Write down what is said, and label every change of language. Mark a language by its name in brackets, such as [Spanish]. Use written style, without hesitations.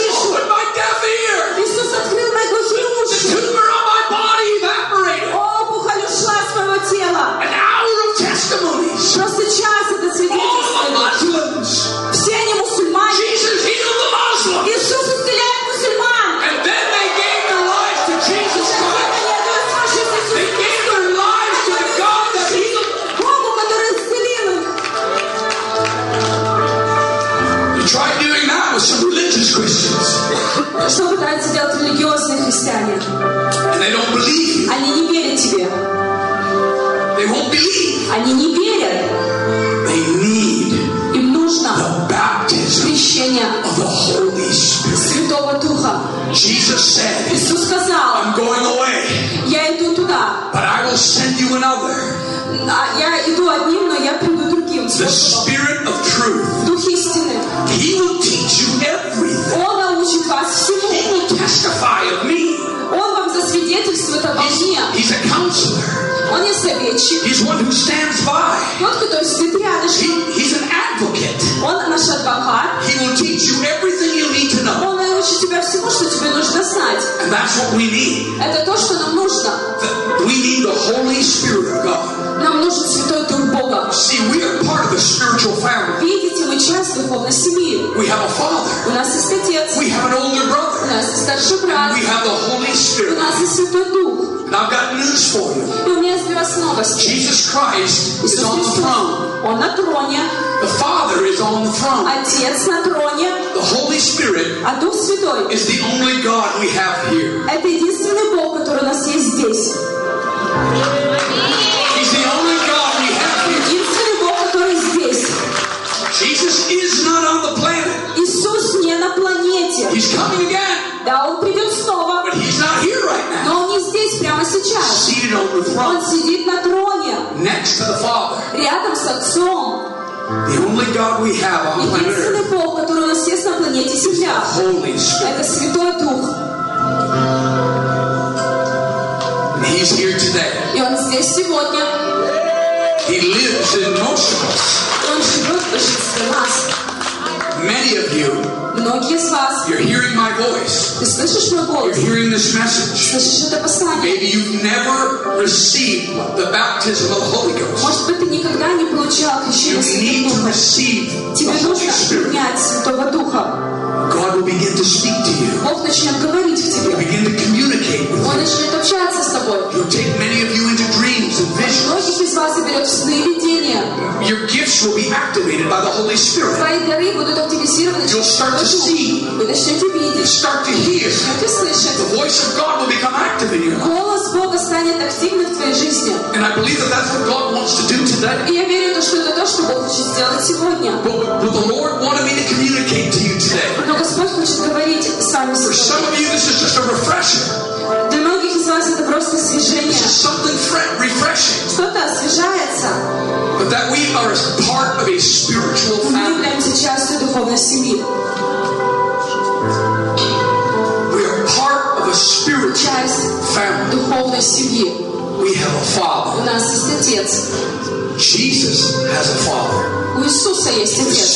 [English] Jesus opened my deaf ear. [Russian] Иисус открыл мои глухие уши. [English] The tumor on my body evaporated. [Russian] Опухоль ушла с моего тела. [English] An hour of testimonies. [Russian] Просто час это свидетельство. [English] All the Muslims. [Russian] Все они мусульмане. [English] Jesus healed the Muslims. [Russian] Иисус исцеляет мусульман. [English] And then they gave their lives to Jesus Christ. They gave their lives to the God that healed them. [Russian] Богу, который исцелил их. [English] You try doing that with some religious Christians. [Russian] Что пытаются делать религиозные христиане? [English] And they don't believe you. [Russian] Они не верят тебе. [English] They won't believe. [Russian] Они не верят. [English] They need. [Russian] Им нужно. [English] The baptism. [Russian] Крещение. [English] Of the Holy Spirit. [Russian] Святого Духа. [English] Jesus said. [Russian] Иисус сказал. [English] I'm going away. [Russian] Я иду туда. [English] But I will send you another. [Russian] Я иду одним, но я приду другим. [English] The Spirit of Truth. [Russian] Дух истины. [English] He will teach you everything. [Russian] Он научит вас всему. [English] He will testify of me. [Russian] Он вам засвидетельствует обо мне. [English] He's a counselor. [Russian] Он не советчик. [English] He's one who stands by. [Russian] Тот, который стоит рядышком. [English] He's an advocate. [Russian] Он наш адвокат. [English] He will teach you everything you need to know. [Russian] Он научит тебя всему, что тебе нужно знать. [English] And that's what we need. [Russian] Это то, что нам нужно. [English] We need the Holy Spirit of God. [Russian] Нам нужен Святой Дух Бога. [English] See, we are part of a spiritual family. [Russian] Видите, мы часть духовной семьи. [English] We have a father. [Russian] У нас есть отец. [English] We have an older brother. [Russian] У нас есть старший брат. [English] And we have the Holy Spirit. [Russian] У нас есть Святой Дух. [English] And I've got news for you. Jesus Christ is on the throne. [Russian] Он на троне. [English] The Father is on the throne. [Russian] Отец на троне. [English] The Holy Spirit. [Russian] А Дух Святой. [English] Is the only God we have here. [Russian] Это единственный Бог, который у нас есть здесь. [English] He's the only God we have here. [Russian] Единственный Бог, который здесь. [English] Jesus is not on the planet. [Russian] Иисус не на планете. [English] He's coming again. [Russian] Да, он придет снова. [English] But he's not here right now. [Russian] Но он не здесь прямо сейчас. [English] Seated on the throne. [Russian] Он сидит на троне. [English] Next to the Father. [Russian] Рядом с Отцом. [English] The only God we have on planet Earth. [Russian] Единственный Бог, который у нас есть на планете Земля. [English] Is the Holy Spirit. [Russian] Это Святой Дух. [English] And he's here today. [Russian] И он здесь сегодня. [English] He lives in most of us. [Russian] Он живет в большинстве нас. [English] Many of you. [Russian] Многие из вас. [English] You're hearing my voice. [Russian] Ты слышишь мой голос. [English] You're hearing this message. [Russian] Слышишь это послание. [English] Maybe you've never received the baptism of the Holy Ghost. [Russian] Может быть, ты никогда не получал крещение Святого Духа. [English] You need to receive the Holy Spirit. [Russian] Тебе нужно принять Святого Духа. [English] God will begin to speak to you. [Russian] Бог начнет говорить в тебе. [English] He'll begin to communicate with you. [Russian] Он начнет общаться с тобой. [English] He'll take many of you into dreams and visions. [Russian] Многих из вас заберет в сны и видения. [English] Your gifts will be activated by the Holy Spirit. [Russian] Твои дары будут активизированы. [English] You'll start to see. [Russian] Вы начнете видеть. [English] You'll start to hear. [Russian] Начнете слышать. [English] The voice of God will become active in your life. [Russian] Голос Бога станет активным в твоей жизни. [English] And I believe that that's what God wants to do today. [Russian] И я верю, то, что это то, что Бог хочет сделать сегодня. [English] But the Lord wanted me to communicate to you today. [Russian] Но Господь хочет говорить с вами сегодня. [English] For some of you, this is just a refresher. [Russian] Для многих из вас это просто освежение. [English] This is something refreshing. [Russian] Что-то освежается. [English] But that we are a part of a spiritual family. [Russian] Мы являемся частью духовной семьи. [English] We are part of a spiritual family. [Russian] Духовной семьи. [English] We have a father. [Russian] У нас есть отец. [English] Jesus has a father. [Russian] У Иисуса есть отец.